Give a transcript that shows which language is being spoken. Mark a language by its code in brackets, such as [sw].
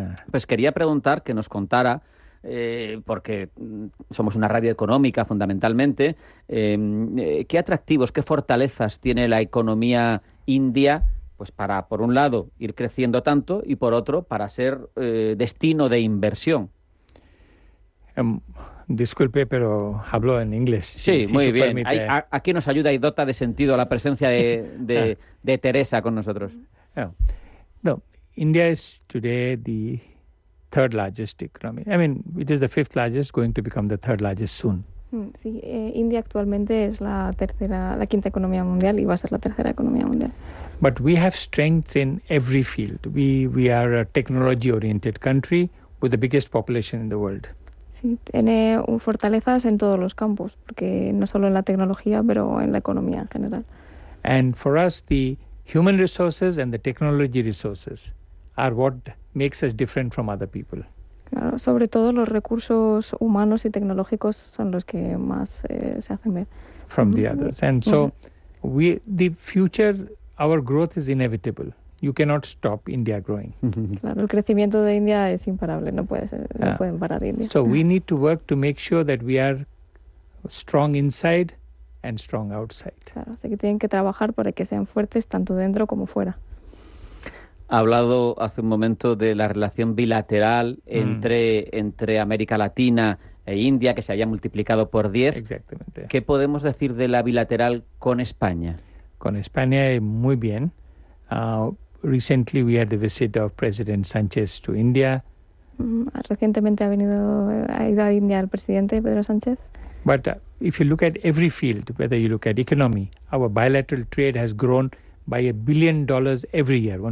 [es] Pues quería preguntar que nos contara, porque somos una radio económica fundamentalmente, ¿qué atractivos, qué fortalezas tiene la economía india, pues para, por un lado, ir creciendo tanto y, por otro, para ser destino de inversión? Disculpe, pero hablo en inglés. Sí, muy bien. Aquí nos ayuda y dota de sentido la presencia de Teresa con nosotros. [en] No, India is today the third largest economy. I mean, it is the fifth largest, going to become the third largest soon. [es] Sí, India actualmente es la quinta economía mundial y va a ser la tercera economía mundial. [en] But we have strengths in every field. We are a technology-oriented country with the biggest population in the world. [es] Tiene fortalezas en todos los campos, porque no solo en la tecnología, pero en la economía en general. [en] And for us, the human resources and the technology resources are what makes us different from other people. [es] Claro, sobre todo los recursos humanos y tecnológicos son los que más se hacen ver. [en] From the others. And so the future, our growth is inevitable. You cannot stop India growing. [es] Claro, el crecimiento de India es imparable, no puede ser, no pueden parar India. [en] So we need to work to make sure that we are strong inside and strong outside. [es] Claro, así que tienen que trabajar para que sean fuertes tanto dentro como fuera. Ha hablado hace un momento de la relación bilateral entre América Latina e India, que se haya multiplicado por 10. Exactamente. ¿Qué podemos decir de la bilateral con España? Con España muy bien. [en] Recently we had the visit of President Sánchez to India. [es] Recientemente ha ido a India el presidente Pedro Sánchez. [en] But if you look at every field, whether you look at economy, our bilateral trade has grown by $1 billion every year.